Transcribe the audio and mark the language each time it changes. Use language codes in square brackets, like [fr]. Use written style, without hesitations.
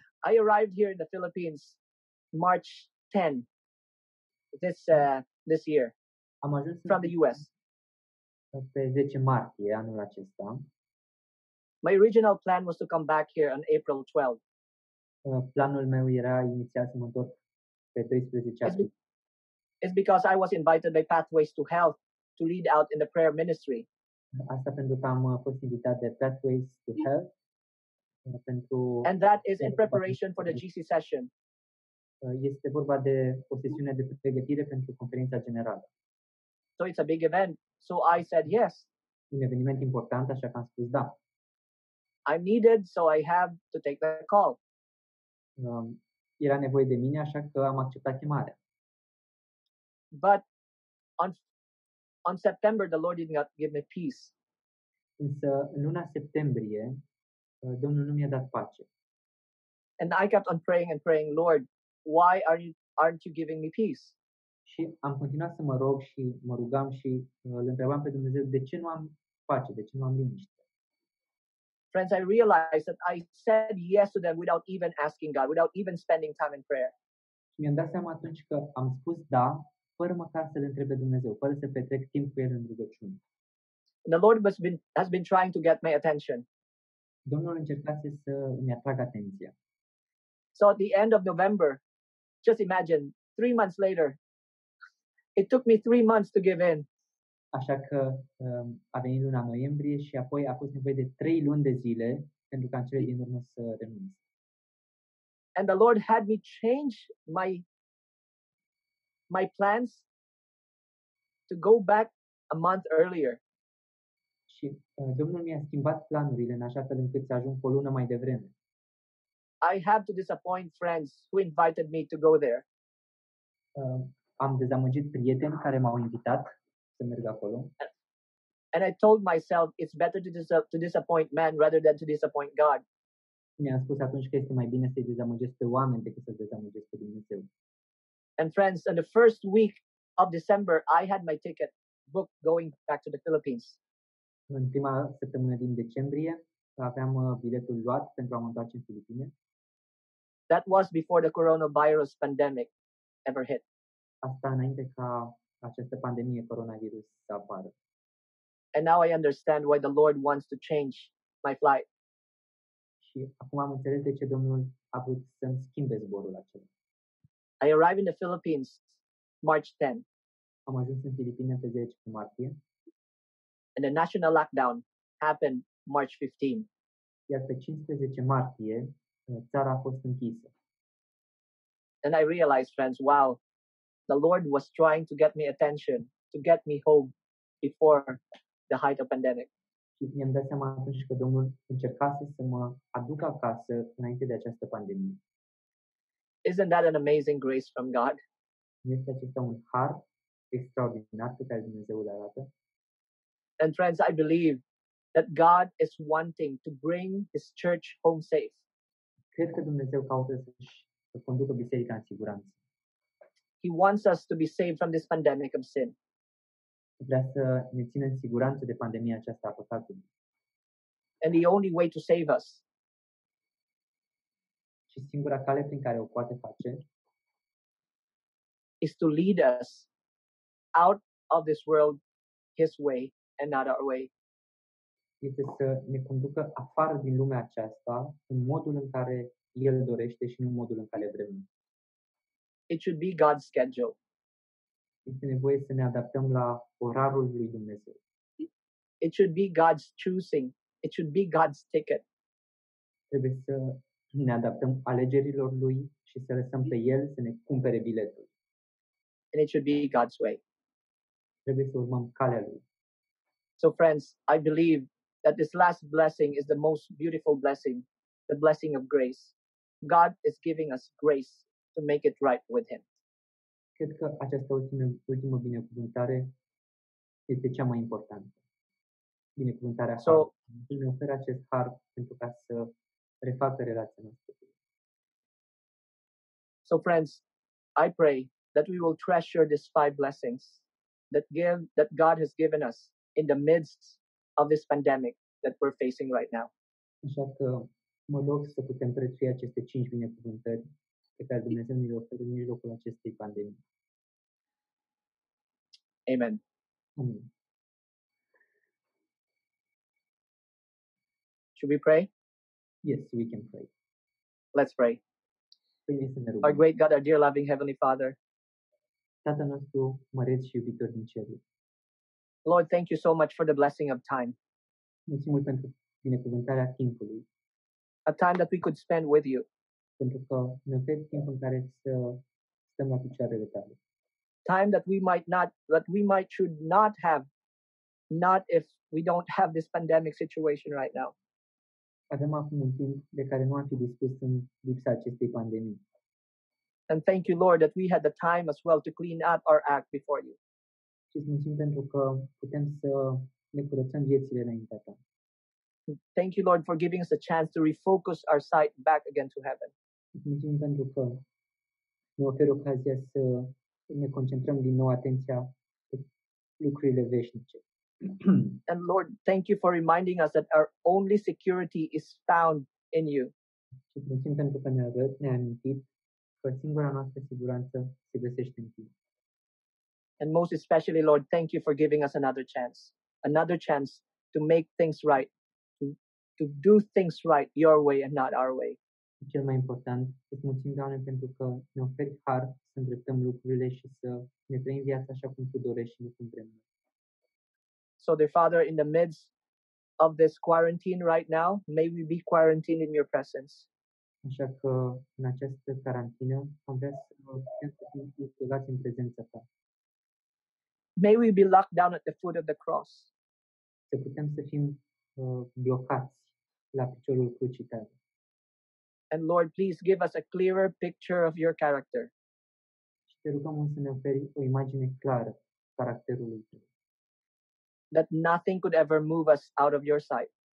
[en] I arrived here in the Philippines March 10 this year. [ro] Am ajuns [en] from the US. [ro] Pe 10 martie anul acesta. [en] My original plan was to come back here on April 12. [ro] Planul meu era inițial să mă întorc pe 13 aprilie. [en] It's because I was invited by Pathways to Health to lead out in the prayer ministry. [ro] Asta pentru că am fost invitat de Pathways to Health. [en] And that is in preparation for the GC session. [ro] Este vorba de o sesiune de pregătire pentru conferința generală. [en] So it's a big event. So I said yes. [ro] Un eveniment important, așa că am spus da. [en] I'm needed, so I have to take the call. [ro] Era nevoie de mine, așa că am acceptat chemarea. [en] But on September, the Lord did not give me peace. [ro] Însă în luna septembrie, Domnul nu mi-a dat pace. [en] And I kept on praying and praying, Lord, why aren't you giving me peace? [ro] Și am continuat să mă rog și mă rugam și îl întrebam pe Dumnezeu, de ce nu am pace, de ce nu am liniște? [en] Friends, I realized that I said yes to them without even asking God, without even spending time in prayer. [ro] Și mi-am dat seama atunci că am spus da, fără măcar să-L întreb pe Dumnezeu, fără să petrec timp cu El în rugăciune. [en] And the Lord has been trying to get my attention. [ro] Domnul încercase să îmi atragă atenția. [en] So at the end of November, just imagine, 3 months later, it took me 3 months to give in. [ro] Așa că a venit luna noiembrie și apoi a fost nevoie de 3 luni de zile pentru ca în cele din urmă să renunț. [en] And the Lord had me change my plans to go back a month earlier. [ro] Și Domnul mi-a schimbat planurile în așa fel încât să ajung o lună mai devreme. [en] I have to disappoint friends who invited me to go there. [ro] Am dezamăgit prieteni care m-au invitat să merg acolo. [en] And I told myself it's better to disappoint man rather than to disappoint God. [ro] Mi-am spus atunci că este mai bine să-i dezamăgesc pe oameni decât să-i dezamăgesc pe Dumnezeu. [en] And friends, in the first week of December, I had my ticket booked going back to the Philippines. [ro] În prima săptămână din decembrie aveam biletul luat pentru a mă întoarce în Filipine. [en] That was before the coronavirus pandemic ever hit. [ro] Asta înainte ca această pandemie coronavirus să apară. [en] And now I understand why the Lord wants to change my flight. [ro] Și acum am înțeles de ce Domnul a vrut să-mi schimbe zborul acela. [en] I arrived in the Philippines March 10. [ro] Am ajuns în Filipine pe 10 martie. [en] And the national lockdown happened March 15. [ro] Iar pe 15 martie, țara a fost închisă. [en] And I realized, friends, wow, the Lord was trying to get me attention, to get me home before the height of pandemic. [ro] Și mi-am dat seama atunci că Domnul încercase să mă aducă acasă înainte de această pandemie. [en] Isn't that an amazing grace from God? [ro] Nu este acesta un har extraordinar pe care Dumnezeu îl arată? [en] And friends, I believe that God is wanting to bring his church home safe. [ro] Cred că Dumnezeu caută să conducă biserica în siguranță. [en] He wants us to be saved from this pandemic of sin. [ro] Vrea să ne țină în siguranță de pandemia aceasta a păcatului. [en] And the only way to save us. [ro] Și singura cale prin care o poate face [en] is to lead us out of this world his way and not our way. [ro] Este să ne conducă afară din lumea aceasta în modul în care El dorește și nu în modul în care vrem. [en] It should be God's schedule. [ro] Este nevoie să ne adaptăm la orarul lui Dumnezeu. [en] It should be God's choosing. It should be God's ticket. [ro] Trebuie să ne adaptăm alegerilor lui și să lăsăm pe El să ne cumpere biletul. [en] And it should be God's way. [ro] Trebuie să urmăm calea lui. [en] So friends, I believe that this last blessing is the most beautiful blessing, the blessing of grace. God is giving us grace to make it right with Him. [ro] Cred că această ultimă binecuvântare este cea mai importantă. Binecuvântarea so, har. Îmi oferă acest har pentru ca să refacă relația noastră. [en] So friends, I pray that we will treasure these five blessings that God has given us in the midst of this pandemic that we're facing right now. [ro] Așa că mă rog să putem prețui aceste cinci binecuvântări pe care Dumnezeu ne le oferă în mijlocul acestei pandemii. [en] Amen. [ro] Amen. [en] Should we pray? Yes, we can pray. Let's pray. Our great God, our dear loving Heavenly Father. [ro] Tatăl nostru, măreț și iubitor din ceruri. [en] Lord, thank you so much for the blessing of time. [ro] Mulțumim pentru binecuvântarea timpului. [en] A time that we could spend with you. [ro] Pentru că ne oferi timp în care să stăm la picioarele tale. [en] Time that we should not have if we don't have this pandemic situation right now. [ro] Avem acum un timp de care nu am fi dispus în lipsa acestei pandemii. [en] And thank you, Lord, that we had the time as well to clean up our act before you. [ro] Și mulțumim pentru că putem să ne curățăm viețile înaintea ta. [en] Thank you, Lord, for giving us a chance to refocus our sight back again to heaven. [ro] Mulțumim pentru că ne oferi ocazia să ne concentrăm din nou atenția pe lucrurile veșnice. [en] And Lord, thank you for reminding us that our only security is found in you. [ro] Mulțumim pentru că ne-ai amintit că singura noastră siguranță se găsește în tine. [en] And most especially, Lord, thank you for giving us another chance to make things right, to do things right your way and not our way. [ro] Cel mai important, îți mulțumim, Doamne, pentru că ne oferi har să îndreptăm lucrurile și să ne trăim viața așa cum Tu dorești și nu cum vrem. [en] So, dear Father, in the midst of this quarantine right now, may we be quarantined in your presence. [ro] Așa că în această carantină, am vrea să fim izolați în prezența Ta. [en] May we be locked down at the foot of the cross. [ro] Să putem să fim blocați la piciorul crucii Tale. [en] And Lord, please give us a clearer picture of your character. [ro] Și te rugăm să ne oferi o imagine clară a caracterului Tău. [en] That nothing could ever move us out of your sight.